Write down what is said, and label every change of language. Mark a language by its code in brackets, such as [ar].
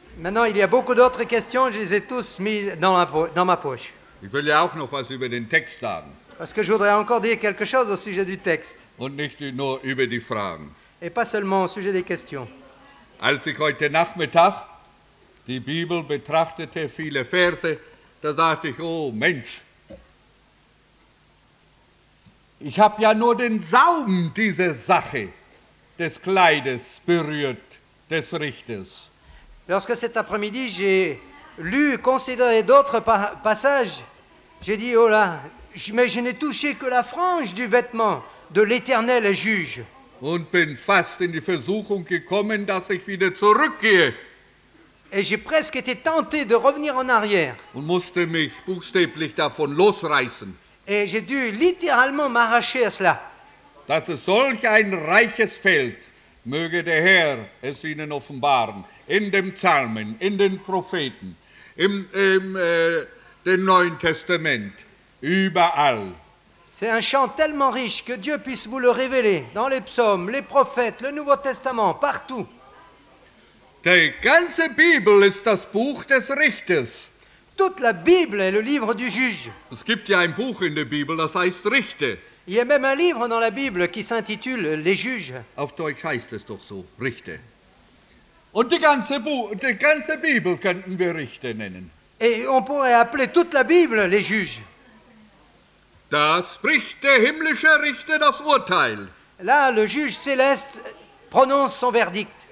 [fr] Maintenant, il y a beaucoup d'autres questions, je les ai tous mis dans ma poche. [de] Ich will ja auch noch was über den Text sagen. [fr] Parce que je voudrais encore dire quelque chose au sujet du texte. [de] Und nicht nur über die Fragen. [fr] Et pas seulement au sujet des questions. [de] Als ich heute Nachmittag die Bibel betrachtete, viele Verse, da dachte ich, oh Mensch, ich habe ja nur den Saum dieser Sache des Kleides berührt, des Richters. [fr] Lorsque cet après-midi j'ai lu, considéré d'autres passages, j'ai dit, oh là, mais je n'ai touché que la frange du vêtement de l'Éternel juge. [de] Und bin fast in die Versuchung gekommen, dass ich wieder zurückgehe. [fr] Et j'ai presque été tenté de revenir en arrière. [de] Und musste mich buchstäblich davon losreißen. [fr] Et j'ai dû littéralement m'arracher à cela. [de] Das ist solch ein reiches Feld, möge der Herr es Ihnen offenbaren, in dem Psalmen, in den Propheten, im Neuen Testament, überall. [fr] C'est un champ tellement riche que Dieu puisse vous le révéler dans les psaumes, les prophètes, le Nouveau Testament, partout. [de] Die ganze Bibel ist das Buch des Richters. [fr] Toute la Bible est le livre du juge. [de] Es gibt ja ein Buch in der Bibel, das heißt Richter. [fr] Il y a même un livre dans la Bible qui s'intitule Les Juges. [de] Auf Deutsch heißt es doch so, Richter. Und die ganze Bibel könnten wir Richter nennen. [fr] Et on pourrait appeler toute la Bible les juges. [de] Da spricht der himmlische Richter das Urteil. [fr] Là, le juge céleste prononce son verdict.